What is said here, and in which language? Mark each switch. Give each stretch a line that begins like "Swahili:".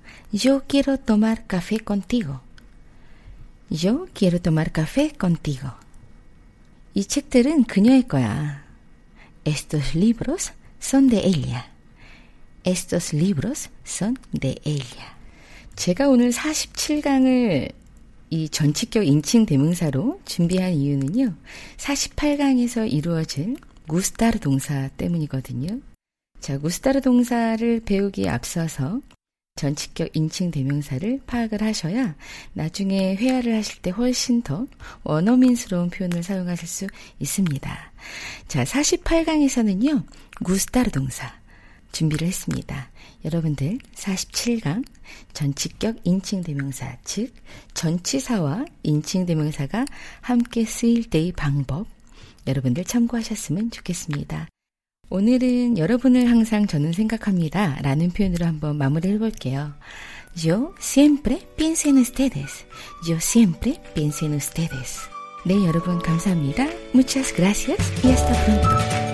Spanish: Yo quiero tomar café contigo. Yo quiero tomar café contigo.
Korean: 이 책들은 그녀의 거야.
Spanish: Estos libros son de ella. Estos libros son de ella.
Korean: 제가 오늘 47강을 이 전치격 인칭 대명사로 준비한 이유는요. 48강에서 이루어진 gustar 동사 때문이거든요. 자, gustar 동사를 배우기에 앞서서 전치격 인칭 대명사를 파악을 하셔야 나중에 회화를 하실 때 훨씬 더 원어민스러운 표현을 사용하실 수 있습니다. 자, 48강에서는요. gustar 동사 준비를 했습니다. 여러분들 47강 전치격 인칭 대명사, 즉 전치사와 인칭 대명사가 함께 쓰일 때의 방법 여러분들 참고하셨으면 좋겠습니다. 오늘은 여러분을 항상 저는 생각합니다 라는 표현으로 한번 마무리를 해볼게요.
Spanish: Yo siempre pienso en ustedes. Yo siempre pienso en ustedes.
Korean: 네, 여러분 감사합니다.
Spanish: Muchas gracias y hasta pronto.